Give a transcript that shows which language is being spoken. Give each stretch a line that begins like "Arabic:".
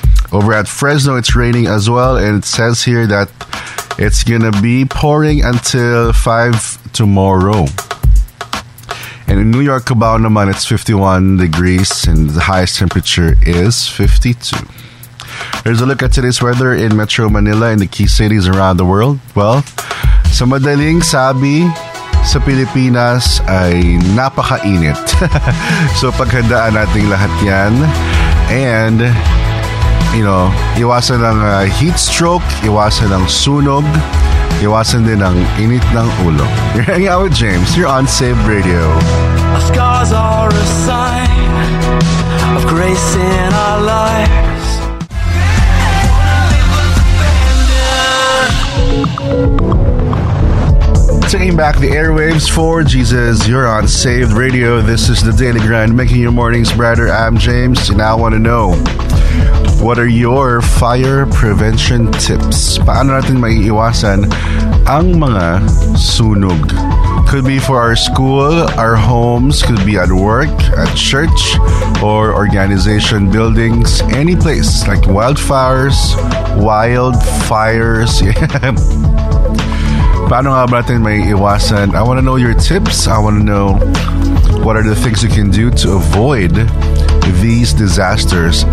English: Over at Fresno, it's raining as well, and it says here that it's gonna be pouring until 5 tomorrow. And in New York, about a month, it's 51 degrees, and the highest temperature is 52. Here's a look at today's weather in Metro Manila and the key cities around the world.
Filipino: Well, sa madaling sabi, sa Pilipinas ay napakainit. So paghandaan nating lahat yan.
English: And, you know,
Filipino: iwasan ng heat stroke, iwasan ng sunog, iwasan din ng init ng ulo.
English: You're hanging out with James, you're on Save Radio. Our scars are a sign of grace in our lives. Taking back the airwaves for Jesus, you're on Save Radio. This is the Daily Grind, making your mornings brighter. I'm James, and I want to know, what are your fire prevention tips?
Filipino: Paano natin maiiwasan ang mga sunog?
English: Could be for our school, our homes, could be at work, at church, or organization buildings, any place, like wildfires, wildfires.
Filipino: Paano nga ba natin maiiwasan?
English: I want to know your tips. I want to know what are the things you can do to avoid these disasters.